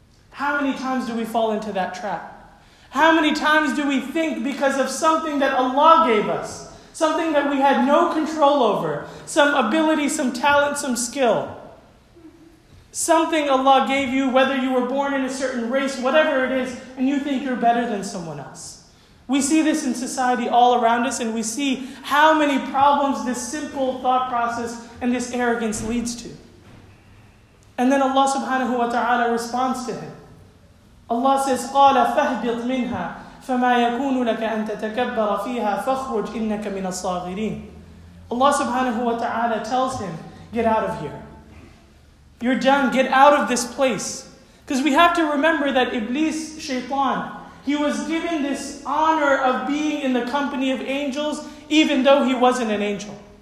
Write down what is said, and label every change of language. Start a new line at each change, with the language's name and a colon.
English: How many times do we fall into that trap? How many times do we think because of something that Allah gave us, something that we had no control over, some ability, some talent, some skill, something Allah gave you, whether you were born in a certain race, whatever it is, and you think you're better than someone else? We see this in society all around us, and we see how many problems this simple thought process and this arrogance leads to. And then Allah subhanahu wa ta'ala responds to him. Allah says,
Arabic: قَالَ فَهْبِطْ مِنْهَا فَمَا يَكُونُ لَكَ أَن تَتَكَبَّرَ فِيهَا فَخْرُجْ إِنَّكَ مِنَ الصَّاغِرِينَ.
English: Allah subhanahu wa ta'ala tells him, get out of here. You're done, get out of this place. Because we have to remember that Iblis, Shaytan, he was given this honor of being in the company of angels, even though he wasn't an angel.